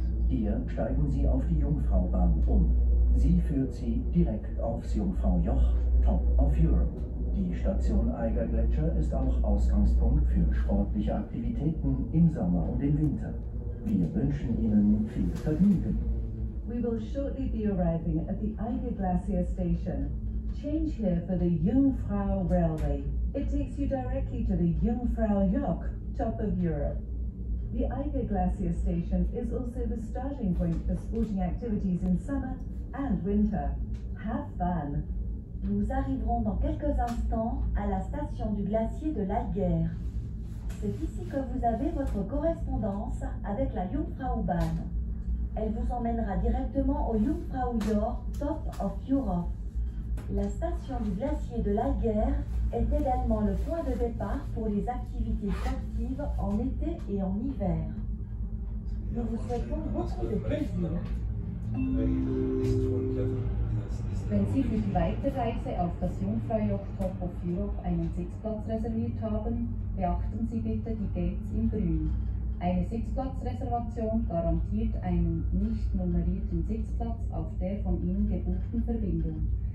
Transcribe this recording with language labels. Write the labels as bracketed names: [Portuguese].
[German] Hier steigen Sie auf die Jungfraubahn um. Sie führt Sie direkt aufs Jungfraujoch, Top of Europe. Die Station Eiger-Gletscher ist auch Ausgangspunkt für sportliche Aktivitäten im Sommer und im Winter. Wir wünschen Ihnen viel Vergnügen. [English] We will shortly be arriving at the Eiger-Glacier Station. Change here for the Jungfrau Railway. It takes you directly to the Jungfraujoch, top of Europe. The Eiger-Glacier Station is also the starting point for sporting activities in summer and winter. Have fun! [French] Nous arriverons dans quelques instants à la station du glacier de l'Eiger. C'est ici que vous avez votre correspondance avec la Jungfraubahn. Elle vous emmènera directement au Jungfraujoch, top of Europe. La station du glacier de l'Eiger est également le point de départ pour les activités sportives en été et en hiver. Nous vous souhaitons beaucoup de plaisir. [German] Wenn Sie für die Weiterreise auf das Jungfraujoch Top of Europe einen Sitzplatz reserviert haben, beachten Sie bitte die Gates in grün. Eine Sitzplatzreservation garantiert einen nicht nummerierten Sitzplatz auf der von Ihnen gebuchten Verbindung.